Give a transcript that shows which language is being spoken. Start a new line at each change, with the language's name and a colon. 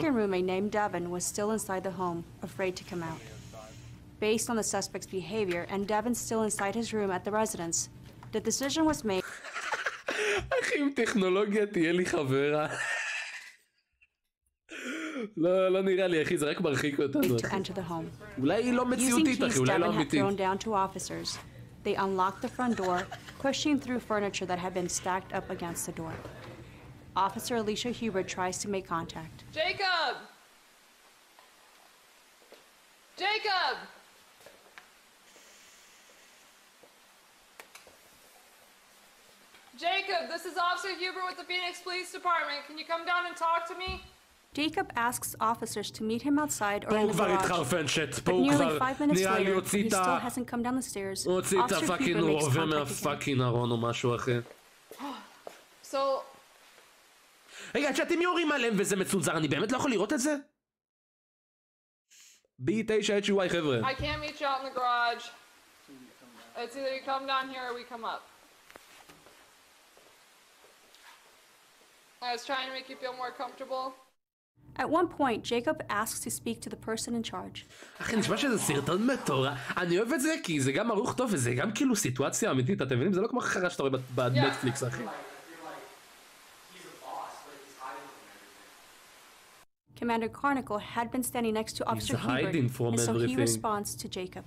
English: They learned a second roommate named Devin was still inside the home, afraid to come out. Based on the suspect's behavior, and Devin still inside his room at the residence, the decision was made...
Hebrew: אחי, עם טכנולוגיה תהיה לי חברה. לא, לא נראה לי, אחי, זה רק מרחיק אותנו.
English: To enter the home.
Hebrew: אולי היא לא מציאותית, אחי, אולי לא אמיתית.
English: Using keys Devin had thrown down to officers, they unlocked the front door, pushing through furniture that had been stacked up against the door. Officer Alicia Huber tries to make contact. Jacob! Jacob! Jacob, this is Officer Huber with the Phoenix Police Department. Can you come down and talk to me? Jacob asks officers to meet him outside or
Hebrew: פה
English: in the garage.
Hebrew: כבר התחרפנשת, פה הוא כבר נראה לי הוציא את ה... הוציא את הפאקינג רובה מהפאקינג הפאקינג הרובה מהפאקינג ארון או משהו אחר.
English: So...
Hebrew: רגע, שאתם יורים עליהם וזה מצונזר, אני באמת לא יכול לראות את זה? B9HUY, חבר'ה.
English: I can't meet you out in the garage. It's either you come down here or we come up. I was trying to make you feel more comfortable. At one point, Jacob asks to speak to the person in charge.
Hebrew: אחי, נשמע שזה סרטון מטורה. אני אוהב את זה כי זה גם ערוך טוב וזה גם כאילו סיטואציה אמיתית, אתם מבינים? זה לא כמו חרא שאתה רואה בנטפליקס, אחי.
English: Commander Carnicle had been standing next to Officer Hubert, and so he responds to Jacob.